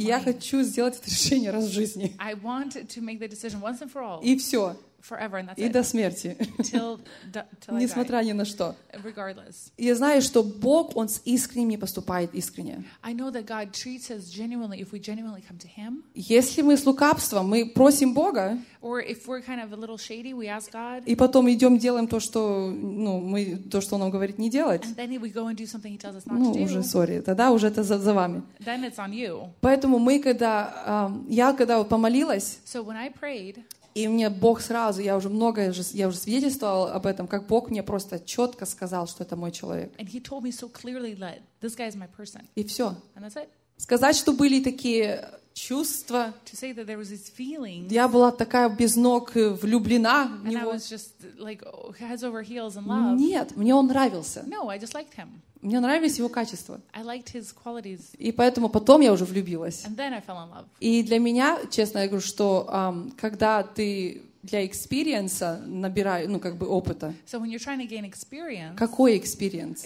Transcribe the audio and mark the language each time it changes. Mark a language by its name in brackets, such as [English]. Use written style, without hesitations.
[Russian] Я хочу сделать это решение раз в жизни. [English] I want to make the decision once and for all. [Russian] И все. [English] forever, and that's [Russian] и [English] it. [Russian] До смерти. [English] Till [Russian] несмотря [English] die. [Russian] Ни на что. [English] Regardless. [Russian] Я знаю, что Бог, Он с искренними поступает искренне. [English] I know that God treats us genuinely if we genuinely come to Him. [Russian] Если мы с лукавством, мы просим Бога. [English] Or if we're kind of a little shady, we ask God. [Russian] И потом идем делаем то, что, ну, мы, то, что Он нам говорит не делать. [English] And then we go and do something He tells us not [Russian] ну, [English] to do. [Russian] Ну уже, сори, тогда уже это за вами. [English] Then it's on you. [Russian] Поэтому мы когда я когда вот помолилась. [English] So when I prayed. [Russian] И мне Бог сразу, я уже многое, я уже свидетельствовала об этом, как Бог мне просто четко сказал, что это мой человек. [English] And he told me so clearly that this guy is my person. [Russian] И все. [English] And that's it. [Russian] Сказать, что были такие чувства. [English] To say that there was this feeling. [Russian] Я была такая без ног влюблена в него. [English] And I was just like heads over heels in love. [Russian] Нет, мне он нравился. [English] No, I just liked him. [Russian] Мне нравились его качества. [English] I liked his qualities. [Russian] И поэтому потом я уже влюбилась. [English] And then I fell in love. [Russian] И для меня, честно, я говорю, что когда ты для [English] experience [Russian] набираешь, ну, как бы опыта. [English] So when you're trying to gain experience. [Russian] Какой [English] experience?